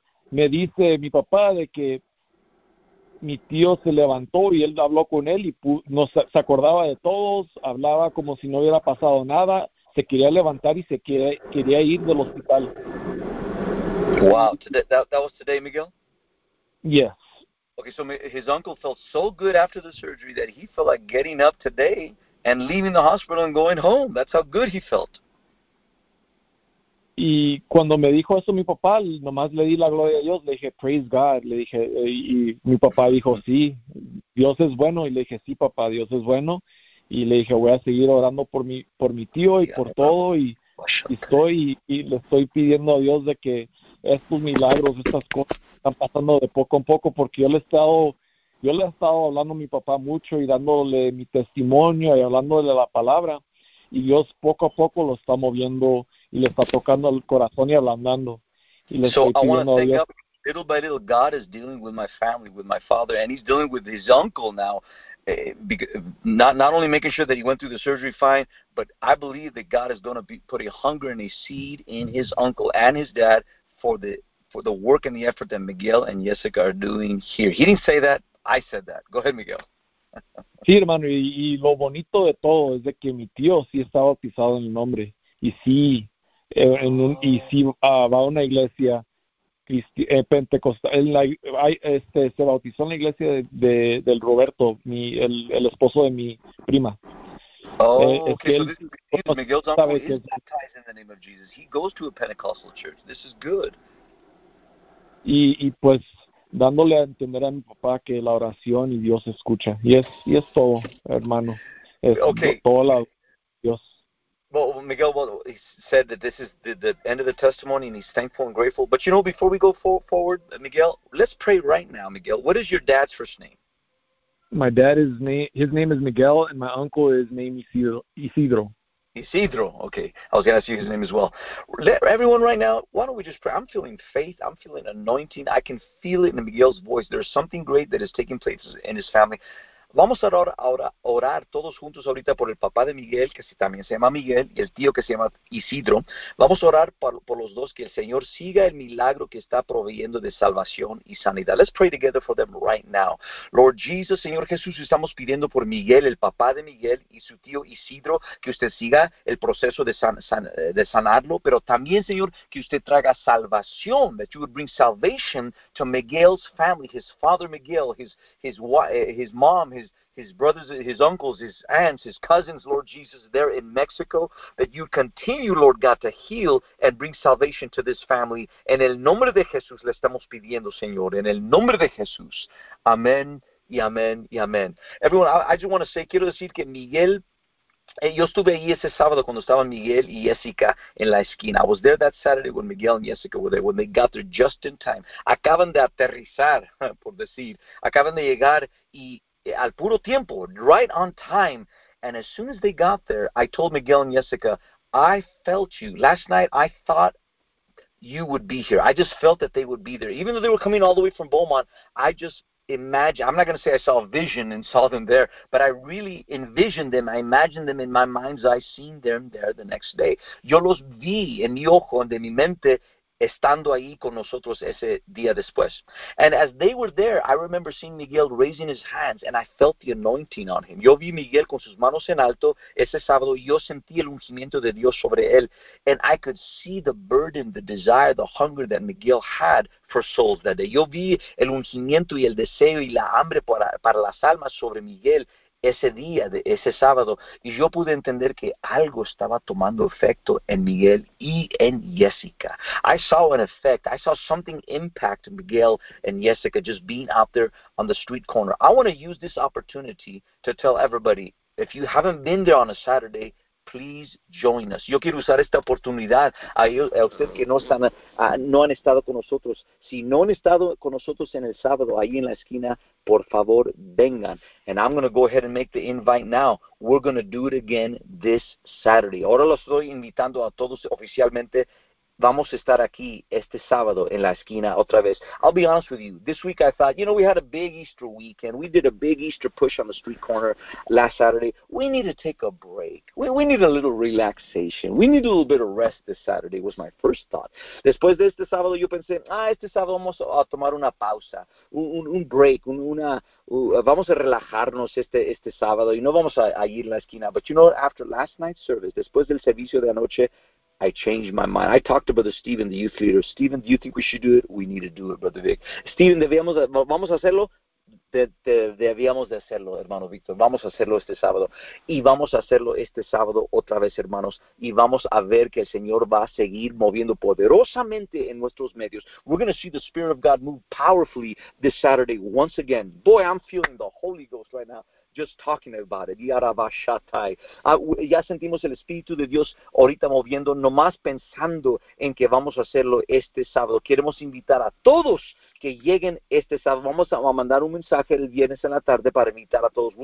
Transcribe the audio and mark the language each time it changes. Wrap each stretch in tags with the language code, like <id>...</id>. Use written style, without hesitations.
<es>Me dice mi papá de que mi tío se levantó y él habló con él y se acordaba de todos, hablaba como si no hubiera pasado nada, se quería levantar y quería ir del hospital.</es> <en>Wow, that was today, Miguel? Yes. Okay, so his uncle felt so good after the surgery that he felt like getting up today and leaving the hospital and going home. That's how good he felt.</en> <es>Y cuando me dijo eso mi papá, nomás le di la gloria a Dios, le dije,</es> <en>praise God.</en> <es>Le dije, y mi papá dijo, sí, Dios es bueno. Y le dije, sí, papá, Dios es bueno. Y le dije, voy a seguir orando por mi tío y por todo. Y le estoy pidiendo a Dios de que estos milagros, estas cosas están pasando de poco en poco, porque yo le he estado hablando a mi papá mucho y dándole mi testimonio y hablándole la palabra, y Dios poco a poco lo está moviendo y le está tocando el corazón y ablandando. Y le estoy pidiendo a Dios.</es> <en>Little by little, God is dealing with my family, with my father, and he's dealing with his uncle now. Not only making sure that he went through the surgery fine, but I believe that God is going to put a hunger and a seed in his uncle and his dad for the work and the effort that Miguel and Jessica are doing here. He didn't say that. I said that. Go ahead, Miguel.</en> <es>Sí, hermano, y lo bonito de todo es de que mi tío sí está bautizado en el nombre. Y sí, va a una iglesia pentecostal. Se bautizó en la iglesia del Roberto, el esposo de mi prima.</es> <en>Miguel's uncle is baptized in the name of Jesus. He goes to a Pentecostal church. This is good.</en> <es>Y pues dándole a entender a mi papá que la oración y Dios escucha. Y es todo, hermano. Dios.</es> <en>Well, Miguel, he said that this is the end of the testimony and he's thankful and grateful. But you know, before we go forward, Miguel, let's pray right now, Miguel. What is your dad's first name? My dad is his name is Miguel, and my uncle is named Isidro. Isidro, okay. I was going to ask you his name as well. Everyone right now, why don't we just pray? I'm feeling faith. I'm feeling anointing. I can feel it in Miguel's voice. There's something great that is taking place in his family.</en> <es>Vamos a orar todos juntos ahorita por el papá de Miguel, que también se llama Miguel, y el tío que se llama Isidro. Vamos a orar por los dos, que el Señor siga el milagro que está proveyendo de salvación y sanidad.</es> <en>Let's pray together for them right now. Lord Jesus,</en> <es>Señor Jesús, estamos pidiendo por Miguel, el papá de Miguel, y su tío Isidro, que usted siga el proceso de sanarlo, pero también, Señor, que usted traiga salvación,</es> <en>that you would bring salvation to Miguel's family, his father Miguel, his mom, his brothers, his uncles, his aunts, his cousins, Lord Jesus, there in Mexico, that you continue, Lord God, to heal and bring salvation to this family.</en> <es>En el nombre de Jesús le estamos pidiendo, Señor. En el nombre de Jesús. Amén y amén y amén.</es> <en>Everyone, I just want to say,</en> <es>quiero decir que Miguel, yo estuve ahí ese sábado cuando estaban Miguel y Jessica en la esquina.</es> <en>I was there that Saturday when Miguel and Jessica were there, when they got there just in time.</en> <es>Acaban de aterrizar, por decir. Acaban de llegar y al puro tiempo,</es> <en>right on time. And as soon as they got there, I told Miguel and Jessica, I felt you. Last night, I thought you would be here. I just felt that they would be there. Even though they were coming all the way from Beaumont, I just imagine, I'm not going to say I saw a vision and saw them there, but I really envisioned them. I imagined them in my mind's eye, seeing them there the next day.</en> <es>Yo los vi en mi ojo, en de mi mente, estando ahí con nosotros ese día después.</es> <en>And as they were there, I remember seeing Miguel raising his hands, and I felt the anointing on him.</en> <es>Yo vi Miguel con sus manos en alto ese sábado, y yo sentí el ungimiento de Dios sobre él.</es> <en>And I could see the burden, the desire, the hunger that Miguel had for souls that day.</en> <es>Yo vi el ungimiento y el deseo y la hambre para las almas sobre Miguel ese día, de ese sábado, y yo pude entender que algo estaba tomando efecto en Miguel y en Jessica.</es> <en>I saw an effect. I saw something impact Miguel and Jessica just being out there on the street corner. I want to use this opportunity to tell everybody, if you haven't been there on a Saturday, please join us.</en> <es>Yo quiero usar esta oportunidad a usted que no han estado con nosotros. Si no han estado con nosotros en el sábado, ahí en la esquina, por favor, vengan.</es> <en>And I'm going to go ahead and make the invite now. We're going to do it again this Saturday.</en> <es>Ahora los estoy invitando a todos oficialmente. Vamos a estar aquí este sábado en la esquina otra vez.</es> <en>I'll be honest with you. This week I thought, you know, we had a big Easter weekend. We did a big Easter push on the street corner last Saturday. We need to take a break. We need a little relaxation. We need a little bit of rest this Saturday was my first thought.</en> <es>Después de este sábado yo pensé, este sábado vamos a tomar una pausa, un break, vamos a relajarnos este sábado y no vamos a ir a la esquina.</es> <en>But you know, after last night's service,</en> <es>después del servicio de anoche,</es> <en>I changed my mind. I talked to Brother Stephen, the youth leader. Stephen, do you think we should do it? We need to do it, Brother Vic. Stephen,</en> <es>vamos a hacerlo. Debíamos de hacerlo, hermano Víctor. Vamos a hacerlo este sábado. Y vamos a hacerlo este sábado otra vez, hermanos. Y vamos a ver que el Señor va a seguir moviendo poderosamente en nuestros medios.</es> <en>We're going to see the Spirit of God move powerfully this Saturday once again. Boy, I'm feeling the Holy Ghost right now. Just talking about it. Yarabashatai.</en> <es>Ya sentimos el Espíritu de Dios ahorita moviendo, nomás pensando en que vamos a hacerlo este sábado. Queremos invitar a todos que lleguen este sábado. Vamos a mandar un mensaje el viernes en la tarde para invitar a todos.</es>